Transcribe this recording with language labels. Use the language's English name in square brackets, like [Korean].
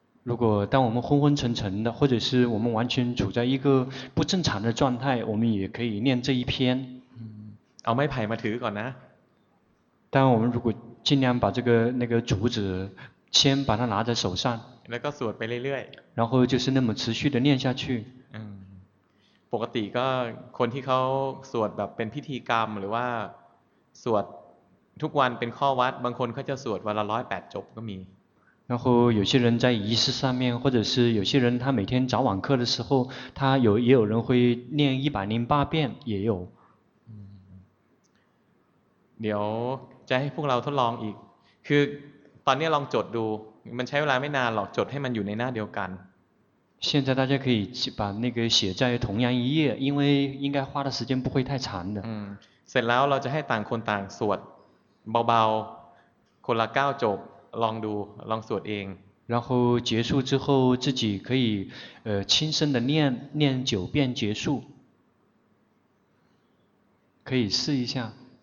[Chinese] 如果当我们昏昏沉沉的，或者是我们完全处在一个不正常的状态，我们也可以念这一篇。 [Thai] เอาไม้ไผ่มาถือก่อนนะ。 [Chinese] 但我们如果尽量把这个那个竹子先把它拿在手上 [Thai] แล้วก็สวดไปเรื่อย [Chinese] ๆ然后就是那么持续的念下去 [Thai] ปกติก็คนที่เขาสวดแบบเป็นพิธีกรรมหรือว่าสวดทุกวันเป็นข้อวัดบางคนเขาจะสวดวันละ108จบก็มี [Chinese] 然后有些人在仪式上面或者是有些人他每天早晚课的时候他有也有人会念108遍也有 [Thai] เดี๋ยวจะให้พวกเราทดลองอีกคือตอนนี้ลองจดดูมันใช้เวลาไม่นานหรอกจดให้มันอยู่ในหน้าเดียวกัน [Chinese] 现在大家可以把那个写在同样一页因为应该花的时间不会太长的 [Thai] เสร็จแล้วเราจะให้ต่างคนต่างสวดเบาๆคนละ9จบลองดูลองสวดเอง [Chinese] 然后结束之后自己可以轻声的念念9遍结束可以试一下